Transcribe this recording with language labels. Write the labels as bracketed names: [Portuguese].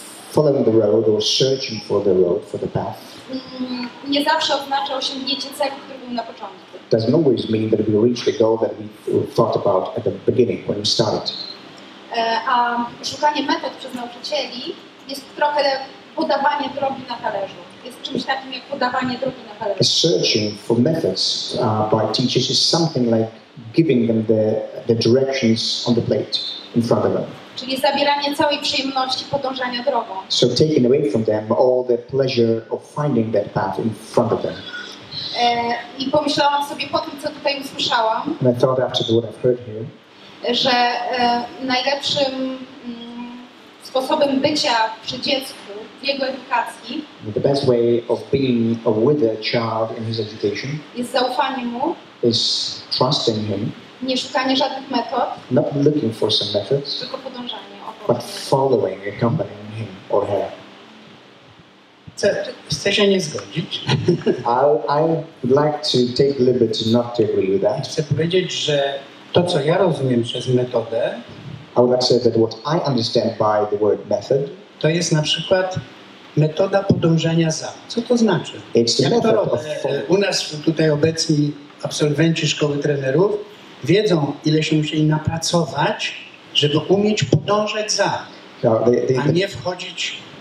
[English] Following the road or searching for the road, for the path. [Polish] Nie zawsze oznacza osiągnięcie celu, który był na początku. [English] Doesn't always mean that we reach the goal that we thought about at the beginning when we started. [Polish] A szukanie metod przez nauczycieli jest trochę podawanie drogi na talerzu. Jest czymś takim jak podawanie drogi na talerzu. [English] A searching for methods by teachers is something like giving them the directions on the plate in front of them. [Polish] Czyli zabieranie całej przyjemności podążania drogą. [English] So taking away from them all the pleasure of finding that path in front of them. [Polish] I pomyślałam sobie po tym, co tutaj usłyszałam, [English] and I thought after what I've heard here, [Polish] że najlepszym sposobem bycia przy dziecku, w jego edukacji, [English] the best way of being with a child in his education, [Polish] jest zaufanie mu. [English] Is trusting him. [Polish] Nie szukanie żadnych metod. [English] Not looking for some methods. [Polish] Tylko podążanie. [English] But following, accompanying him or her. [Polish] Chcę się nie zgodzić. [English] I would like to take liberty not to agree with that. [Polish] Chcę powiedzieć, że to, co ja rozumiem przez metodę, [English] I would like to say that what I understand by the word method, [Polish] to jest na przykład metoda podążania za. Co to znaczy? [English] It's [Polish] jak to robię? U nas tutaj obecni absolwenci szkoły trenerów wiedzą, ile się musieli napracować, żeby umieć podążać za, a nie wchodzić.